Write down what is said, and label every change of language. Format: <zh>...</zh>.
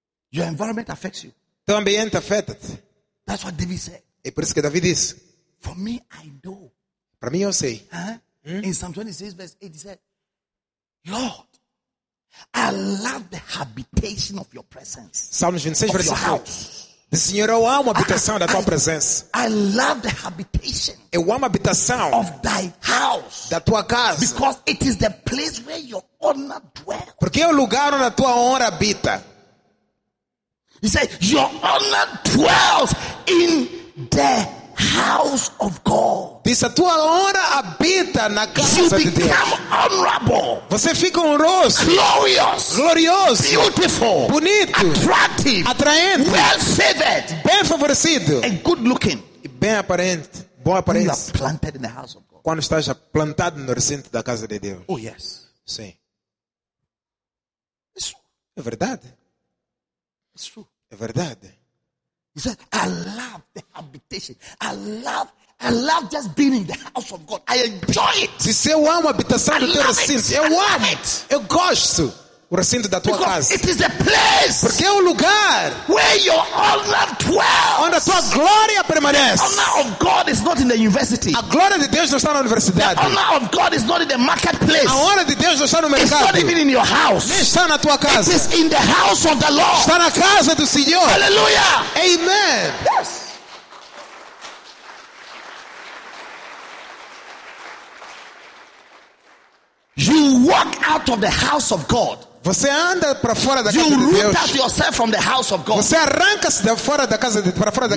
<en>Your environment affects you.</en> <pt>Teu ambiente afeta-te.</pt> <en>That's what David said.</en> <pt>É por isso que David disse.</pt> <en>For me, I know.</en> <pt>Para mim, eu sei. Huh? Hmm?</pt> <en>In Psalm 26, verse 8, he said, Lord, I love the habitation of your presence. Psalm 26, verse 8. The</en> <pt>Senhor, eu amo a habitação da tua presença.</pt> <en>I love the habitation.</en> <pt>Eu amo a habitação.</pt> <en>Of thy house.</en> <pt>Da tua casa.</pt> <en>Because it is the place where your honor dwells.</en> <pt>Porque é o lugar onde a tua honra habita.</pt> <en>He said, your honor dwells in the house of God.</en> <pt>Diz, a tua honra habita na casa</pt> <en>you</en> <pt>de Deus.</pt> <en>You become honorable.</en> <pt>Você fica honroso.</pt> <en>Glorious.</en> <pt>Glorioso.</pt> <en>Beautiful.</en> <pt>Bonito.</pt> <en>Attractive.</en> <pt>Atraente.</pt> <en>Well favored.</en> <pt>Bem favorecido.</pt> <en>And good looking.</en> <pt>E bem aparente. Boa aparência.</pt> <en>You are planted in the house of God.</en> <pt>Quando estás plantado no recinto da casa de Deus.</pt> <en>Oh, yes.</en> <pt>Sim. Isso é verdade.</pt> <en>It's true.</en> <pt>É verdade.</pt> <en>He said, I love the habitation. I love just being in the house of God. I enjoy it.</en> <pt>Se eu amo a habitação do teu recinto, eu amo.</pt> <en>It.</en> <pt>Eu gosto o recinto da tua</pt> <en>because</en> <pt>casa.</pt> <en>It is a place.</en> <pt>Porque é o lugar</pt> <en>where your honor dwells.</en> <pt>Onde a tua glória permanece.</pt> <en>The honor of God is not in the university.</en> <pt>A glória de Deus não está na universidade.</pt> <en>The honor of God is not in the marketplace.</en> <pt>A honra de Deus não está no mercado.</pt> <en>It's not even in your house.</en> <pt>Nem está na tua casa.</pt> <en>It is in the house of the Lord.</en> <pt>Está na casa do Senhor.</pt> <en>Hallelujah. Amen. Yes. You walk out of the house of God.</en> <pt>Você anda para fora da casa</pt> <en>you</en> <pt>de Deus.</pt> <en>You root out yourself from the house of God.</en> <pt>Você arranca-se de fora da casa de para fora da</pt>